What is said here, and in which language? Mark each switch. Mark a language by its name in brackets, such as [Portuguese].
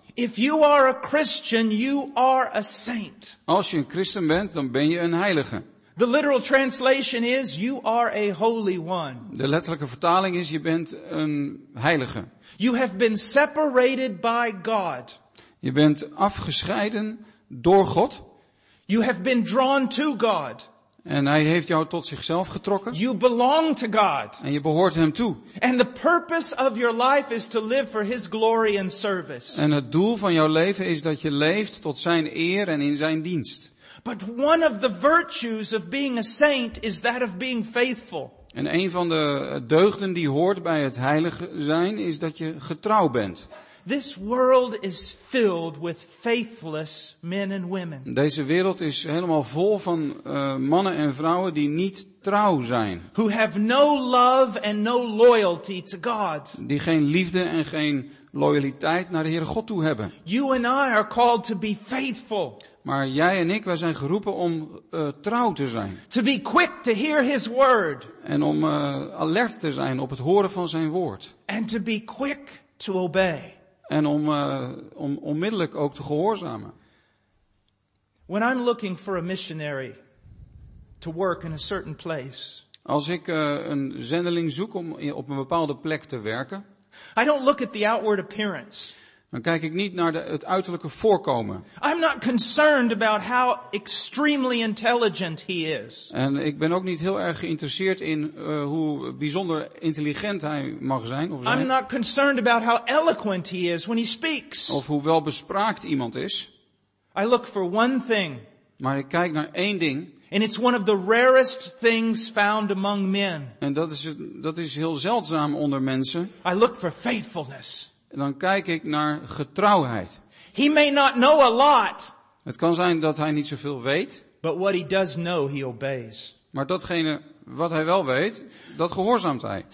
[English] If you are a Christian, you are a saint. [Dutch] Als je een christen bent, dan ben je een heilige. [English] The literal translation is you are a holy one. [Dutch] De letterlijke vertaling is je bent een heilige. [English] You have been separated by God. [Dutch] Je bent afgescheiden door God. [English] You have been drawn to God. [Dutch] En hij heeft jou tot zichzelf getrokken. [English] You belong to God. [Dutch] En je behoort hem toe. [English] And the purpose of your life is to live for his glory and service. [Dutch] En het doel van jouw leven is dat je leeft tot zijn eer en in zijn dienst. [English] But one of the virtues of being a saint is that of being faithful. [Dutch] En een van de deugden die hoort bij het heilig zijn is dat je getrouw bent. [English] This world is filled with faithless men and women. [Dutch] Deze wereld is helemaal vol van mannen en vrouwen die niet trouw zijn. [English] Who have no love and no loyalty to God. [Dutch] Die geen liefde en geen loyaliteit naar de Heere God toe hebben. [English] You and I are called to be faithful. [Dutch] Maar jij en ik, wij zijn geroepen om trouw te zijn. [English] To be quick to hear his word. [Dutch] En om alert te zijn op het horen van zijn woord. [English] And to be quick to obey. [Dutch] En om onmiddellijk ook te gehoorzamen. [English] When I'm looking for a missionary to work in a certain place. [Dutch] Als ik een zendeling zoek om op een bepaalde plek te werken. [English] I don't look at the outward appearance. [Dutch] Dan kijk ik niet naar het uiterlijke voorkomen. [English] I'm not concerned about how extremely intelligent he is. [Dutch] En ik ben ook niet heel erg geïnteresseerd in hoe bijzonder intelligent hij mag zijn of zijn. [English] I'm not concerned about how eloquent he is when he speaks. [Dutch] Of hoe welbespraakt iemand is. [English] I look for one thing. [Dutch] Maar ik kijk naar één ding. [English] And it's one of the rarest things found among men. [Dutch] En dat is heel zeldzaam onder mensen. [English] I look for faithfulness. [Dutch] Dan kijk ik naar getrouwheid. [English] He may not know a lot. [Dutch] Het kan zijn dat hij niet zoveel weet. [English] But what he does know, he obeys. [Dutch] Maar datgene wat hij wel weet, dat gehoorzaamt hij.